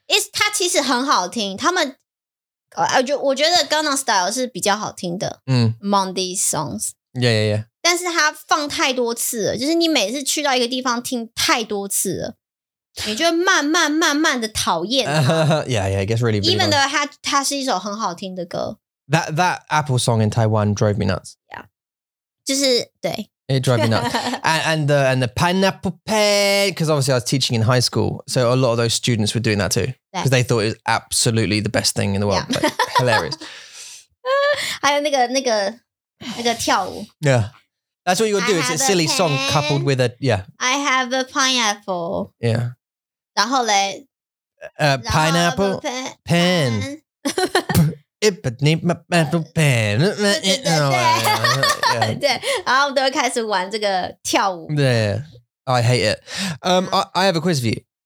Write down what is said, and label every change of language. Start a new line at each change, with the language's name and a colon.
English: it's
Chinese: 它其实很好听，他们。我觉得 Gangnam Style 是比较好听的
English: among these songs. Yeah, yeah, yeah.
Chinese: 但是它放太多次了，就是你每次去到一个地方听太多次了，你就会慢慢的讨厌它。
English: Yeah, yeah, it gets really even though
Chinese: 它是一首很好听的歌。
English: That Apple song in Taiwan drove me nuts. Yeah.
Chinese: 就是对。
English: It drove me nuts. And the pineapple pen, because obviously I was teaching in high school, so a lot of those students were doing that too. Because they thought it was absolutely the best thing in the world. Yeah. Like, hilarious.
Chinese: 还有那个跳舞。
English: Yeah. That's what you would do. It's a silly pen, song coupled with a, yeah. I have a pineapple. Yeah.
Chinese: 然后嘞,
English: pineapple pen. It but need my pineapple pen. Oh, yeah. Yeah.
Chinese: 对，然后我们都会开始玩这个跳舞。对，
English: I hate it. I have a quiz for you.